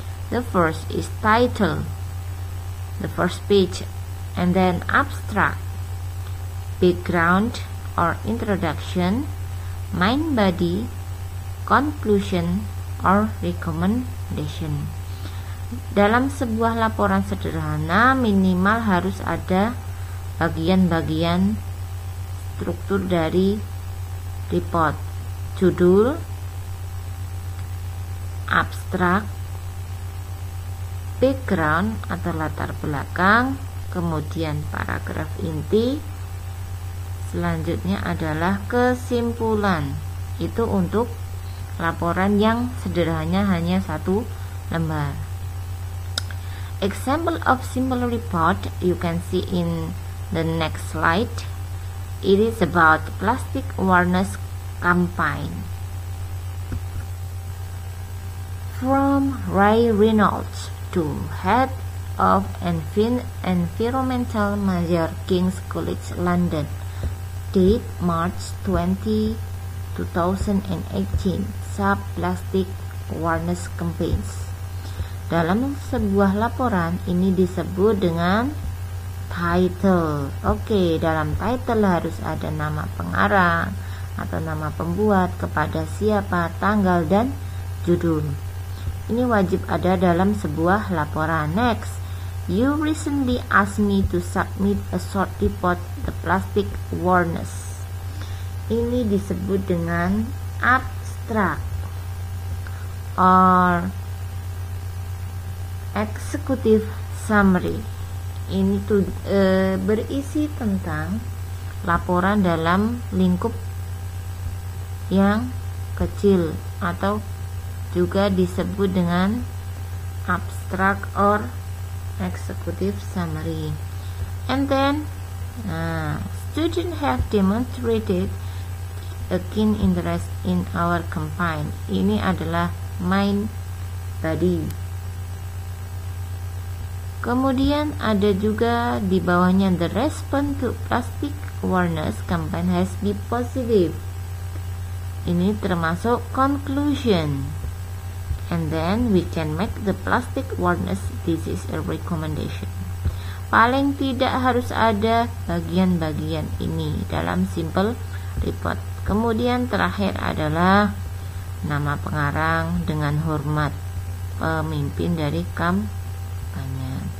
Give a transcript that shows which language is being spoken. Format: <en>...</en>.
<en>The first is title, the first page, and then abstract, background or introduction, main body, conclusion or recommendation.</en> <id>Dalam sebuah laporan sederhana, minimal harus ada bagian-bagian struktur dari report: judul, abstrak, background atau latar belakang, kemudian paragraf inti. Selanjutnya adalah kesimpulan. Itu untuk laporan yang sederhananya hanya satu lembar.</id> <en>Example of simple report you can see in the next slide. It is about plastic awareness campaign. From Ray Reynolds to head of environmental major King's College London, date March 20, 2018, sub plastic awareness campaigns.</en> <id>Dalam sebuah laporan ini disebut dengan title. Oke, dalam title harus ada nama pengarang atau nama pembuat, kepada siapa, tanggal dan judul. Ini wajib ada dalam sebuah laporan.</id> <en>Next, you recently asked me to submit a short report the plastic awareness.</en> <id>Ini disebut dengan</id> <en>abstract or executive summary.</en> <id>Ini berisi tentang laporan dalam lingkup yang kecil atau juga disebut dengan</id> <en>abstract or executive summary. And then student have demonstrated a keen interest in our campaign.</en> <id>Ini adalah main body. Kemudian ada juga di bawahnya,</id> <en>the response to plastic awareness campaign has been positive.</en> <id>Ini termasuk</id> <en>conclusion. and then we can make the plastic warnings. This is a recommendation.</en> <id>Paling tidak harus ada bagian-bagian ini dalam simple report. Kemudian terakhir adalah nama pengarang dengan hormat pemimpin dari kampanye.</id>